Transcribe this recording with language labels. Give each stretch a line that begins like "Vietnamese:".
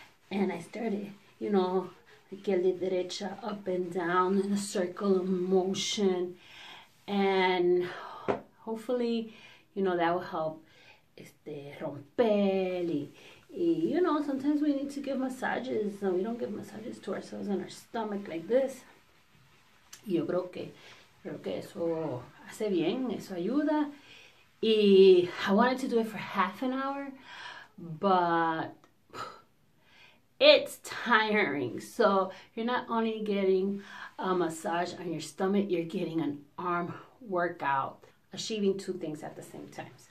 English: And I started, you know, like a derecha, up and down in a circle of motion. And hopefully, you know, that will help romper. You know, sometimes we need to give massages, and we don't give massages to ourselves in our stomach like this.
Spanish: Yo creo que eso hace bien, eso ayuda.
English: Y I wanted to do it for half an hour, but it's tiring. So you're not only getting a massage on your stomach, you're getting an arm workout, achieving two things at the same time.